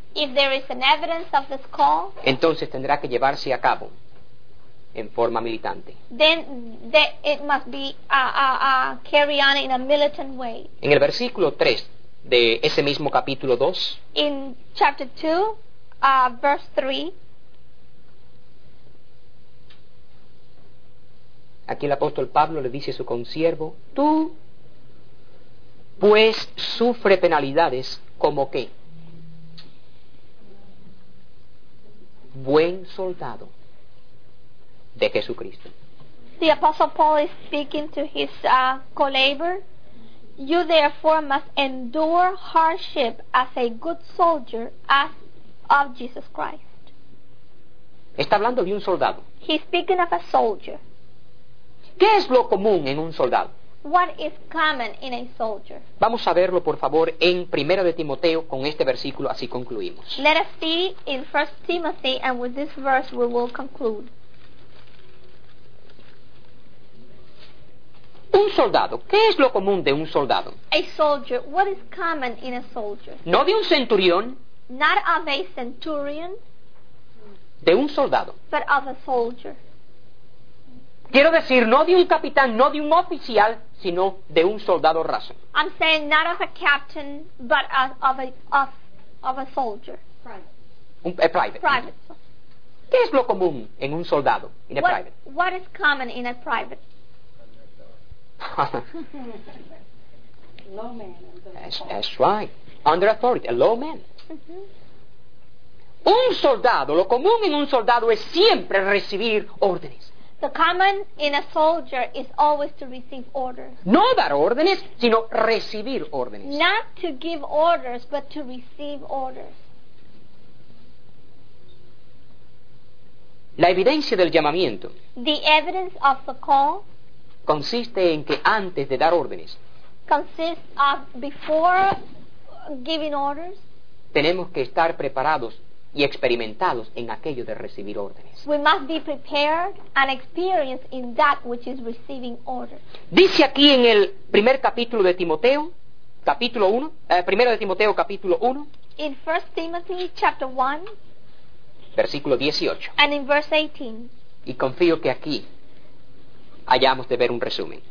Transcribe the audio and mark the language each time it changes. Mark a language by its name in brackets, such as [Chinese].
[English] if there is an evidence of this call, [Spanish] entonces tendrá que llevarse a cabo en forma militante. [English] Then it must be carry on in a militant way. [Spanish] En el versículo 3 de ese mismo capítulo 2, [English] in chapter 2, verse 3, [Spanish] aquí el apóstol Pablo le dice a su consiervo, tú pues sufre penalidades como qué? Buen soldado de Jesucristo. [English] The Apostle Paul is speaking to his co-labor. You therefore must endure hardship as a good soldier as of Jesus Christ. [Spanish] Está hablando de un soldado. [English] He's speaking of a soldier. [Spanish] ¿Qué es lo común en un soldado? [English] What is common in a soldier? [Spanish] Vamos a verlo, por favor, en Primera de Timoteo, con este versículo, así concluimos. [English] Let us see in 1 Timothy, and with this verse we will conclude. [Spanish] Un soldado, ¿qué es lo común de un soldado? [English] A soldier, what is common in a soldier? [Spanish] No de un centurión. [English] Not of a centurion. [Spanish] De un soldado. [English] But of a soldier. [Spanish] Quiero decir, no de un capitán, no de un oficial, sino de un soldado raso. [English] I'm saying not of a captain, but of a soldier. A private. [Spanish] ¿Qué es lo común en un soldado, [English] in a private? What is common in a private? Low man. That's right. Under authority, a low man. [Spanish] Un soldado, lo común en un soldado es siempre recibir órdenes. [English] The common in a soldier is always to receive orders. [Spanish] No dar órdenes, sino recibir órdenes. [English] Not to give orders, but to receive orders. [Spanish] La evidencia del llamamiento. [English] The evidence of the call. [Spanish] Consiste en que antes de dar órdenes. [English] Consists of before giving orders. [Spanish] Tenemos que estar preparados y experimentados en aquello de recibir órdenes. [English] We must be prepared and experienced in that which is receiving orders. [Spanish] Dice aquí en el primer capítulo de Timoteo, capítulo 1, primero de Timoteo, capítulo 1. [English] In 1 Timothy, chapter 1. [Spanish] Versículo 18. [English] And in verse 18. [Spanish] Y confío que aquí hayamos de ver un resumen.